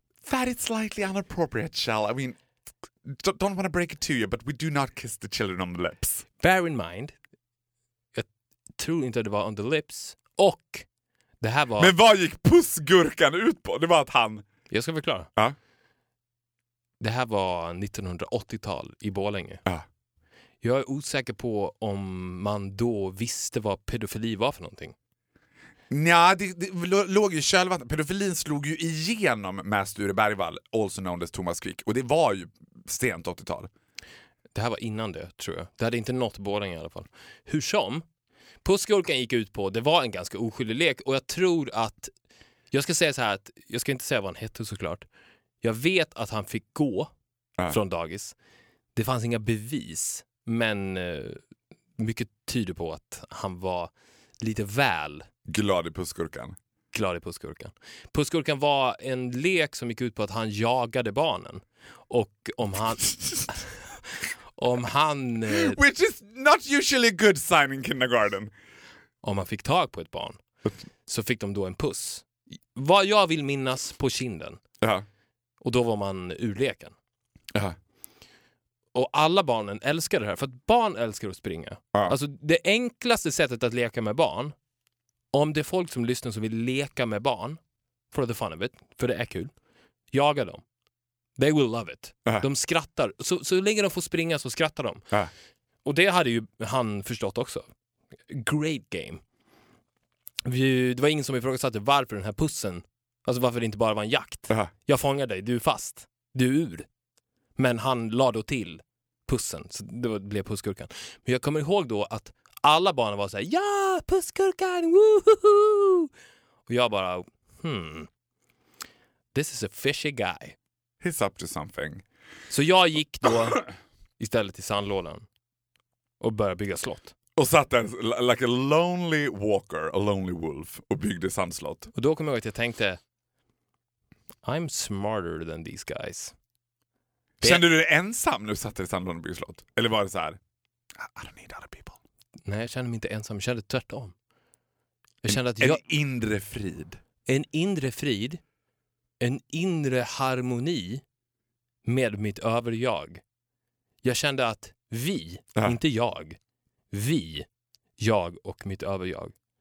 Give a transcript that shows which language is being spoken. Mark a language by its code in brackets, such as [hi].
[en] That is slightly inappropriate, shall I mean. Don't want to break it to you, but we do not kiss the children on the lips. Bear in mind. [sv] Jag tror inte det var [en] on the lips. [sv] Och det här var. Men vad gick pussgurkan ut på? Det var att han. Jag ska förklara. Ja. Det här var 1980-tal i Borlänge. Ja. Jag är osäker på om man då visste vad pedofili var för någonting. Ja, det låg ju själva. Pedofilin slog ju igenom med Sture Bergvall, also known as Thomas Quick. Och det var ju sent 80-tal. Det här var innan det, tror jag. Det hade inte nått Borlänge i alla fall. Hur som, pussgurkan gick ut på, det var en ganska oskyldig lek. Och jag tror att, jag ska säga så här, att jag ska inte säga vad han hette såklart. Jag vet att han fick gå från dagis. Det fanns inga bevis, men mycket tyder på att han var lite väl glad i pussgurkan. Glad i pussgurkan. Pussgurkan var en lek som gick ut på att han jagade barnen. Och om han om han [en] which is not usually a good sign in kindergarten. [sv] Om man fick tag på ett barn så fick de då en puss. Vad jag vill minnas på kinden. Ja. Uh-huh. Och då var man ur leken. Uh-huh. Och alla barnen älskar det här. För att barn älskar att springa. Uh-huh. Alltså det enklaste sättet att leka med barn. Om det är folk som lyssnar som vill leka med barn. [en] For the fun of it. [sv] För det är kul. Jaga dem. [en] They will love it. Uh-huh. [sv] De skrattar. Så länge de får springa så skrattar de. Uh-huh. Och det hade ju han förstått också. [en] Great game. [sv] Det var ingen som ifrågasatte varför den här pussen. Alltså varför det inte bara var en jakt. Uh-huh. Jag fångar dig, du är fast. Du är ur. Men han la då till pussen. Så det blev pussgurkan. Men jag kommer ihåg då att alla barnen var så här: ja, pussgurkan! Woohoo! Och jag bara, [en] this is a fishy guy. He's up to something. [sv] Så jag gick då istället till sandlådan. Och började bygga slott. Och satt där, [en] like a lonely walker, a lonely wolf, [sv] och byggde sandslott. Och då kom jag ihåg att jag tänkte, [en] I'm smarter than these guys. [sv] Kände du dig ensam när du satt i sandlådan och byggde slott? Eller var det så här, [en] I don't need other people. [sv] Nej, jag kände mig inte ensam, jag kände tvärtom. Jag kände att jag... En inre frid. En inre frid, en inre harmoni med mitt överjag. Jag kände att vi, inte jag... Jag och mitt överjag.